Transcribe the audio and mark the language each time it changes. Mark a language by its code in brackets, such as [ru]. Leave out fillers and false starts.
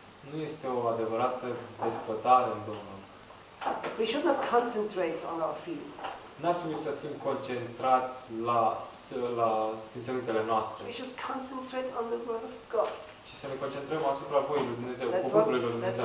[ro] Nu este o adevărată desfătare în Domnul. [en] We should not concentrate on our feelings. [ro] N-ar trebui să fim concentrați la simțelintele noastre. [en] We should concentrate on the word of God. [ro] Ci să ne concentrăm asupra voii lui Dumnezeu, cuvântului lui Dumnezeu.